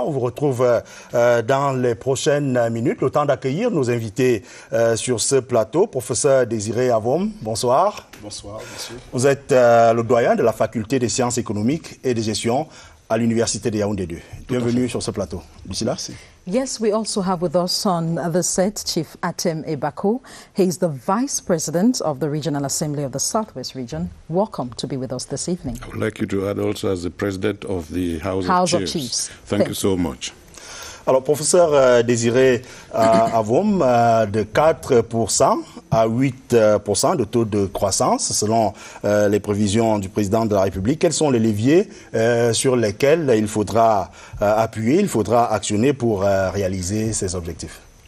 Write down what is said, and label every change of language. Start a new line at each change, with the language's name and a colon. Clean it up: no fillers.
French: On vous retrouve dans les prochaines minutes. Le temps d'accueillir nos invités sur ce plateau. Professeur Désiré Avom, bonsoir. Bonsoir, monsieur. Vous êtes le doyen de la faculté des sciences économiques et de gestion à l'Université de Yaoundé 2. Bienvenue sur ce plateau. Lucilla, c'est...
English: Yes, we also have with us on the set Chief Atem Ebako. He is the Vice President of the Regional Assembly of the Southwest Region. Welcome to be with us this evening. I would like you to add also as the President of the House of Chiefs. Thank you so much.
French: Alors, professeur Désiré Avom, de 4% à 8% de taux de croissance, selon les prévisions du président de la République, quels sont les leviers sur lesquels il faudra appuyer, il faudra actionner pour réaliser ces objectifs?